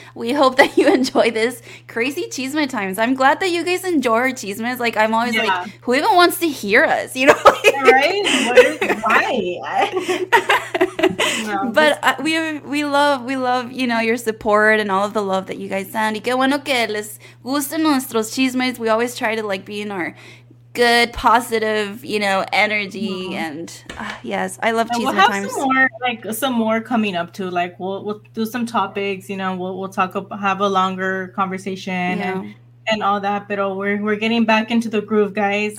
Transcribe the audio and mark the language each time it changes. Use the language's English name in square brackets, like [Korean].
[English] We hope that you enjoy this crazy chisme times. I'm glad that you guys enjoy our chismes. Like, I'm always like, who even wants to hear us? You know? Right? Why? But we love, you know, your support and all of the love that you guys send. [Spanish] Y que bueno que les gusten nuestros chismes. [English] We always try to, like, be in our good, positive, you know, energy. Mm-hmm. And yes, I love chisme times. We'll have some more coming up too. Like, we'll do some topics, you know, we'll talk up, have a longer conversation and all that. But we're getting back into the groove, guys.